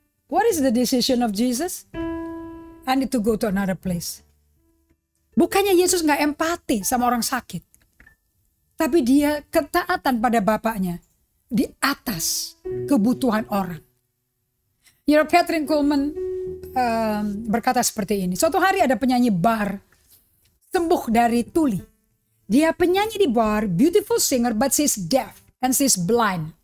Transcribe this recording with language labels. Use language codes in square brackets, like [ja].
[en] What is the decision of Jesus? I need to go to another place. [id] Bukannya Yesus gak empati sama orang sakit, tapi dia ketaatan pada Bapaknya di atas kebutuhan orang. [en] You know, [id] Catherine Kuhlman berkata seperti ini. Suatu hari ada penyanyi bar sembuh dari tuli. Dia penyanyi di bar, [en] beautiful singer, but she's deaf and she's blind.